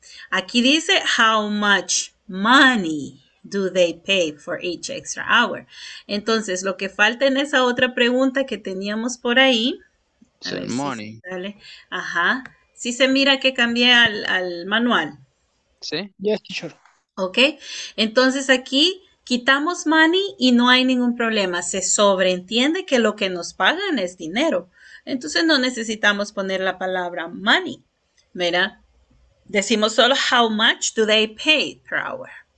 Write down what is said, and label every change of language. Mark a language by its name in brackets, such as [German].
[Spanish] Aquí dice [English] how much money do they pay for each extra hour. [Spanish] Entonces, lo que falta en esa otra pregunta que teníamos por ahí. [English] Money. [Spanish] Si, dale. Ajá. Sí se mira que cambié al manual. Sí. [English] Yes, teacher. Ok. [Spanish] Entonces, aquí quitamos money y no hay ningún problema. Se sobreentiende que lo que nos pagan es dinero. Entonces, no necesitamos poner la palabra money. Mira, decimos solo [English] how much do they pay per hour.